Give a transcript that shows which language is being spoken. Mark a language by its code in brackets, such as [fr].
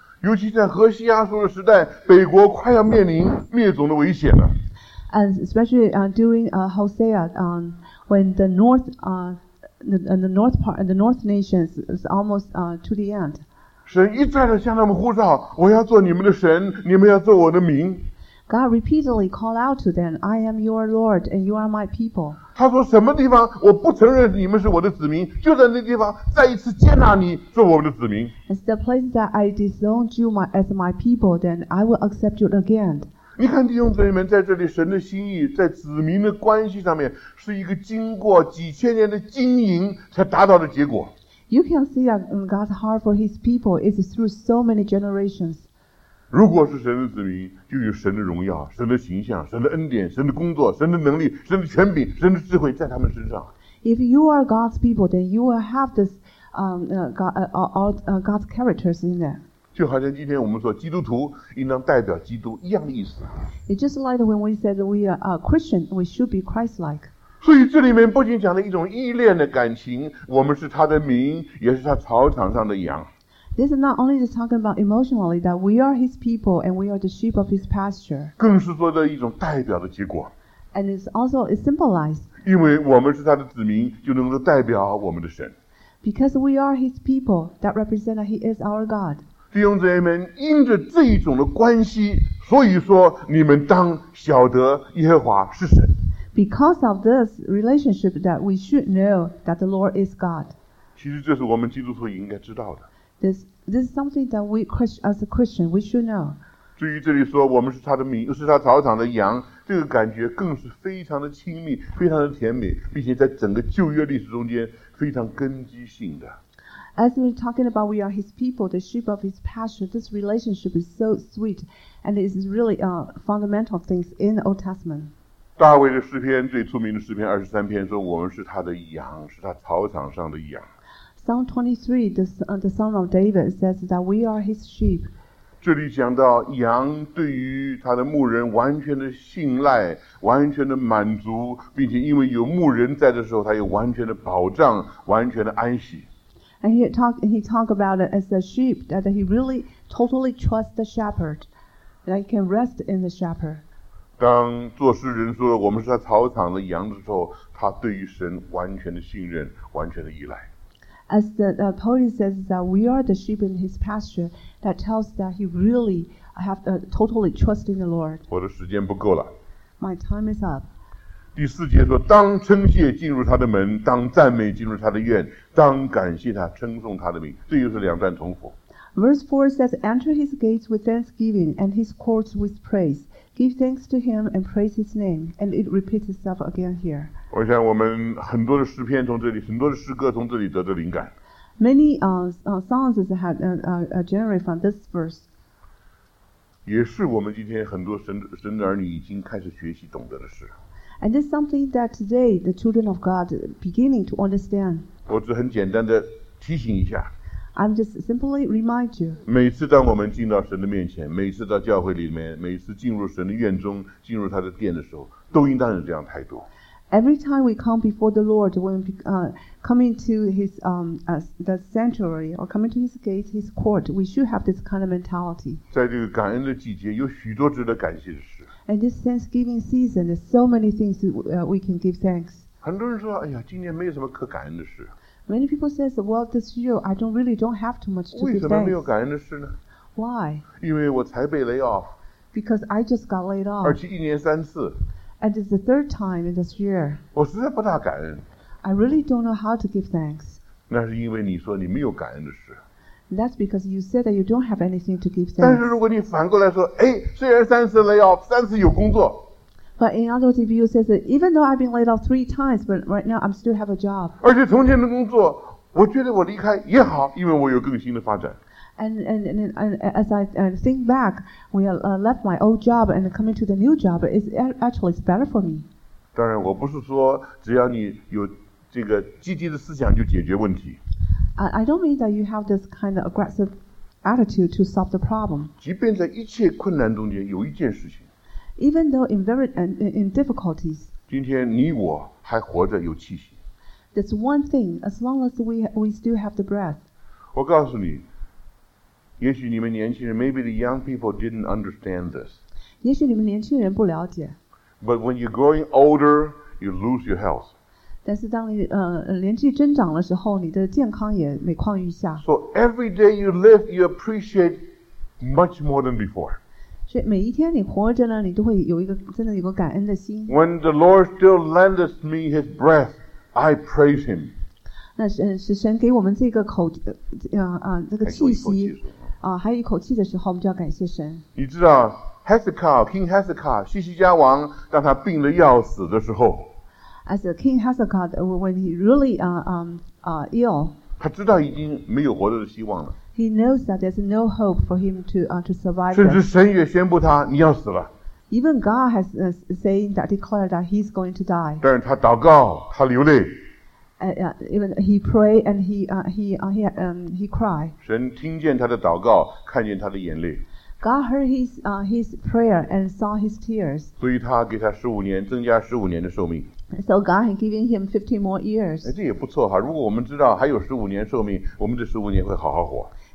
[zh] 尤其在何西阿书的时代，北国快要面临灭种的危险了。 [en] And especially during Hosea, when the north the north part the north nations is almost to the end. [zh] 神一再的向他们呼召，我要做你们的神，你们要做我的民。 [en] God repeatedly called out to them, I am your Lord and you are my people. [zh] 他说什么地方我不承认你们是我的子民，就在那地方再一次接纳你做我们的子民。 [en] It's the place that I disowned you as my people, then I will accept you again. [zh] 你看弟兄姊妹们，在这里神的心意在子民的关系上面是一个经过几千年的经营才达到的结果。 [en] You can see that God's heart for his people is through so many generations. [zh] 如果是神的子民，就有神的荣耀、神的形象、神的恩典、神的工作、神的能力、神的权柄、神的智慧在他们身上。 [en] If you are God's people, then you will have this God's characters in there. [zh] 就好像今天我们说基督徒应当代表基督一样的意思。 [en] It's just like when we said we are Christian, we should be Christ-like. [zh] 所以这里面不仅讲了一种依恋的感情，我们是他的民，也是他草场上的羊。 [en] This is not only just talking about emotionally that we are his people and we are the sheep of his pasture. [zh] 更是说的一种代表的结果。 [en] And it's also it symbolized. [zh] 因为我们是他的子民，就能够代表我们的神。 [en] Because we are his people, that represents that he is our God. [zh] 弟兄姊妹们，因着这一种的关系，所以说你们当晓得耶和华是神。 [en] Because of this relationship that we should know that the Lord is God. [zh] 其实这是我们基督徒应该知道的。 [en] This is something that we as a Christian we should know. [zh] 至于这里说我们是他的民，是他草场的羊，这个感觉更是非常的亲密，非常的甜美，并且在整个旧约历史中间非常根基性的。 [en] As we're talking about we are his people, the sheep of his pasture, this relationship is so sweet, and it is really a fundamental things in the Old Testament. [zh] 大卫的诗篇最出名的诗篇二十三篇说我们是他的羊，是他草场上的羊。 [en] Psalm 23, the Psalm of David says that we are his sheep. [zh] 这里讲到羊对于他的牧人完全的信赖，完全的满足，并且因为有牧人在的时候，他有完全的保障，完全的安息。 [en] And he talk about it as a sheep that he really totally trusts the shepherd, that he can rest in the shepherd. [zh] 当作诗人说我们是他草场的羊的时候，他对于神完全的信任，完全的依赖。 [en] As the poet says that we are the sheep in his pasture, that tells that he really have totally trust in the Lord. [zh] 我的时间不够了。 [en] My time is up. [zh] 第四节说，当称谢进入他的门，当赞美进入他的院，当感谢他，称颂他的名。这又是两段重复。 [en] Verse 4 says, enter his gates with thanksgiving and his courts with praise. Give thanks to him and praise his name. And it repeats itself again here. [zh] 我想我们很多的诗篇从这里，很多的诗歌从这里得的灵感。 [en] Many songs had generated from this verse. [zh] 也是我们今天很多神的儿女已经开始学习懂得的事。 [en] And this is something that today the children of God beginning to understand. [zh] 我只很简单的提醒一下。 [en] I'm just simply remind you. [zh] 每次当我们进到神的面前，每次到教会里面，每次进入神的院中，进入他的殿的时候，都应当有这样态度。 [en] Every time we come before the Lord, when coming to His the sanctuary or coming to His gates, His court, we should have this kind of mentality. [zh] 在这个感恩的季节，有许多值得感谢的事。 [en] And this Thanksgiving season, there's so many things we can give thanks. [zh] 很多人说，哎呀，今年没有什么可感恩的事。 [en] Many people say, well, this year I don't have too much to give thanks. [zh] 为什么没有感恩的事呢 [en] ？Why? [zh] 因为我才被 lay off. [en] Because I just got laid off. [zh] 而且一年三次。 [en] And it's the third time in this year. [zh] 我实在不大感恩。 [en] I really don't know how to give thanks. [zh] 那是因为你说你没有感恩的事。 [en] That's because you said that you don't have anything to give thanks. [zh] 但是如果你反过来说，哎，虽然三次 lay off， 三次有工作。 [en] But But in other words, if you say that even though I've been laid off three times, but right now I'm still have a job. [zh] 而且从前的工作，我觉得我离开也好，因为我有更新的发展。 [en] And as I think back, we left my old job and coming to the new job is actually it's better for me. [zh] 当然，我不是说只要你有这个积极的思想就解决问题。 [en] I don't mean that you have this kind of aggressive attitude to solve the problem. [zh] 即便在一切困难中间，有一件事情。 [en] Even though in very in difficulties. [zh] 今天你我还活着有气息。 [en] That's one thing. As long as we still have the breath. [zh] 我告诉你。也许你们年轻人 [en] maybe the young people didn't understand this. [zh] 也许你们年轻人不了解。 [en] But when you're growing older, you lose your health. [zh] 但是当你年纪增长的时候，你的健康也每况愈下。 [en] So every day you live, you appreciate much more than before. [zh] 所以每一天你活着呢，你都会有一个真的有个感恩的心。 [en] When the Lord still lendeth me His breath, I praise Him. [zh] 那 是神给我们这个口这个气息还有一口气的时候我们就要感谢神你知道 Hezekiah King Hezekiah 西西家王当他病得要死的时候 [en] As a King Hezekiah when he really ill [zh] 他知道已经没有活着的希望了 [en] He knows that there's no hope for him to survive [zh] 甚至神也宣布他你要死了 [en] Even God has saying that declared that he's going to die [zh] 但是他祷告他流泪 [en] Even he pray and he cry. [zh] 神听见他的祷告，看见他的眼泪。 [en] God heard his prayer and saw his tears. [zh] 所以他给他十五年，增加十五年的寿命。 [en] So God had given him 15 more years. [zh] 这也不错哈。如果我们知道还有十五年寿命，我们这十五年会好好活。